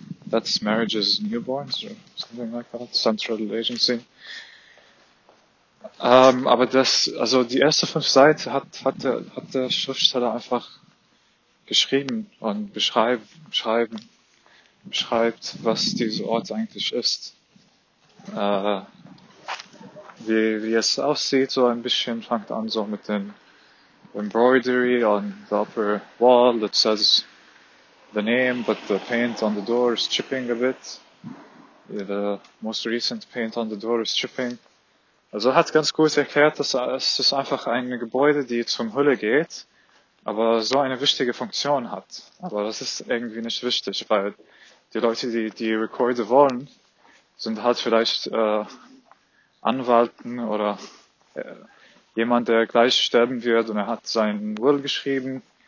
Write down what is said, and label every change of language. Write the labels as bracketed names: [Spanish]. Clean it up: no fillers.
[English] That's Marriages and Newborns, or something like that, Central Agency. [German] Aber das, also die erste 5 Seiten hat der Schriftsteller einfach geschrieben und beschreibt, was dieser Ort eigentlich ist. Wie es aussieht, so ein bisschen fängt an so mit den [English] Embroidery on the upper wall that says the name, but the paint on the door is chipping a bit. The most recent paint on the door is chipping. [German] Also hat ganz gut erklärt, dass es ist einfach ein Gebäude, die zum Hülle geht, aber so eine wichtige Funktion hat. Aber das ist irgendwie nicht wichtig, weil die Leute, die Rekorde wollen, sind halt vielleicht Anwalten oder jemand, der gleich sterben wird und er hat seinen Will geschrieben.